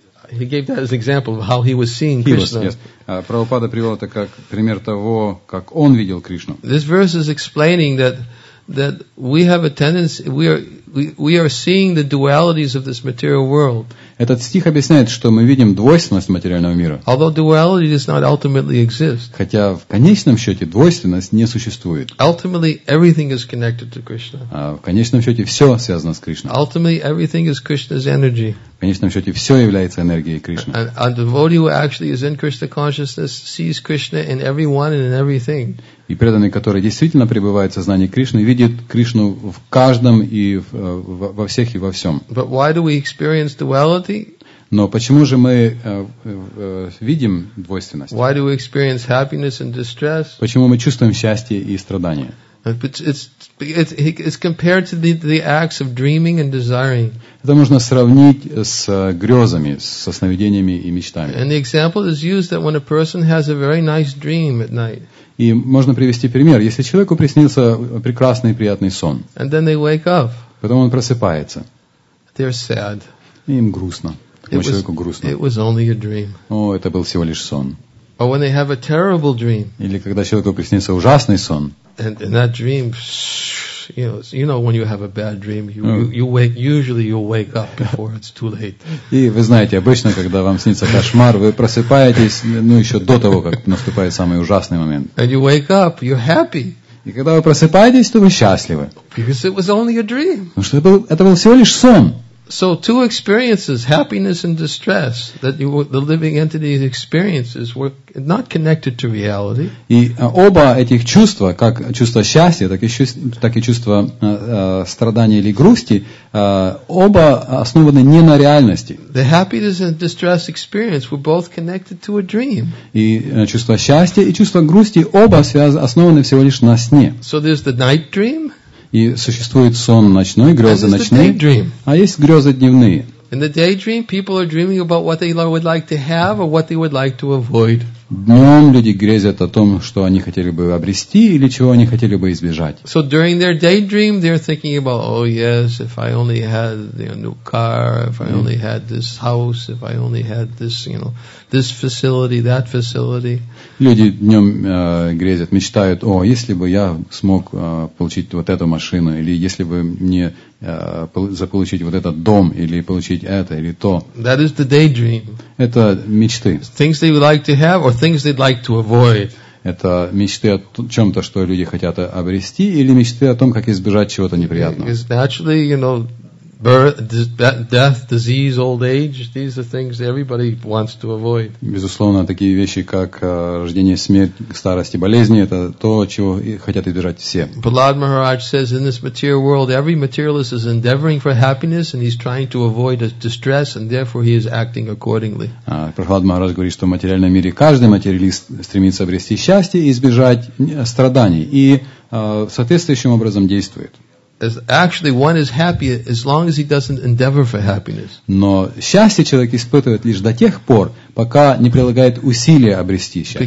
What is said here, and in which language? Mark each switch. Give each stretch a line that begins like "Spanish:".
English: He gave that as an example of how he was seeing Krishna. Yes.
Russian: Прабхупада привел это как пример того, как он видел Кришну.
English: This verse is explaining that we have a tendency, we are seeing the dualities of this material world.
Russian: Этот стих объясняет, что мы видим двойственность материального мира.
English: Although duality does not ultimately exist.
Russian: Хотя в конечном счете двойственность не существует.
English: Ultimately everything is connected to Krishna.
Russian: А в конечном счете все связано с Кришной.
English: Ultimately everything is Krishna's energy.
Russian: В конечном счете все является энергией Кришны.
English: A devotee who actually is in Krishna consciousness sees Krishna in everyone and in everything.
Russian: И преданный, который действительно пребывает в сознании Кришны, видит Кришну в каждом и во всех и во всем.
English: But why do we experience duality?
Russian: Но почему же мы видим двойственность?
English: Why do we experience happiness and distress?
Russian: Почему мы чувствуем счастье и страдания?
English: It's compared to the acts of dreaming and desiring.
Russian: Это можно сравнить с грезами, со сновидениями и мечтами.
English: And the example is used that when a person has a very nice dream at night.
Russian: И можно привести пример. Если человеку приснился прекрасный, приятный сон,
English: and then they wake up,
Russian: потом он просыпается,
English: they're sad.
Russian: И им грустно. Человеку грустно.
English: It was only a dream.
Russian: О, это был всего лишь сон.
English: Or when they have a terrible dream,
Russian: или когда человеку приснился ужасный сон,
English: and that dream, you know, when you have a bad dream, you'll wake up before it's too late.
Russian: И вы знаете, обычно, когда вам снится кошмар, вы просыпаетесь, ну еще до того, как наступает самый ужасный момент.
English: And you wake up, you're happy.
Russian: И когда вы просыпаетесь, то вы счастливы.
English: Because it was only a dream.
Russian: Потому что это был всего лишь сон.
English: So two experiences, happiness and distress, that the living entity experiences, were not connected to reality.
Russian: И оба этих чувства, как чувство счастья, так и чувство страдания или грусти, оба основаны не на реальности.
English: The happiness and distress experience were both connected to a dream.
Russian: И чувство счастья и чувство грусти оба основаны всего лишь на сне.
English: So there's the night dream.
Russian: И существует сон ночной, грезы ночные, а есть грезы дневные.
English: In the daydream, people are dreaming about what they would like to have or what they would like to avoid.
Russian: Днем люди грезят о том, что они хотели бы обрести или чего они хотели бы избежать.
English: So during their daydream, they're thinking about, oh yes, if I only had a new car, if I only had this house, if I only had this, you know, this facility, that facility.
Russian: Люди днем грезят, мечтают, о, если бы я смог получить вот эту машину, или если бы мне заполучить вот этот дом, или получить это, или то.
English: That is the daydream.
Russian: Это мечты.
English: Things they would like to have or things they'd like to avoid.
Russian: Это мечты о чем-то, что люди хотят обрести, или мечты о том, как избежать чего-то неприятного.
English: Because naturally, you know, death, disease, old age, these are things everybody wants to avoid.
Russian: Безусловно, такие вещи, как рождение, смерть, старость и болезни, это то, чего хотят избежать все.
English: Prahlad Maharaj says, in this material world, every materialist is endeavoring for happiness and he's trying to avoid distress and therefore he is acting accordingly.
Russian: Prahlad Maharaj говорит, что в материальном мире каждый материалист стремится обрести счастье и избежать страданий и соответствующим образом действует.
English: Actually, one is happy as long as he doesn't endeavor for happiness.
Russian: Но счастье человек испытывает лишь до тех пор, пока не прилагает усилия обрести счастье.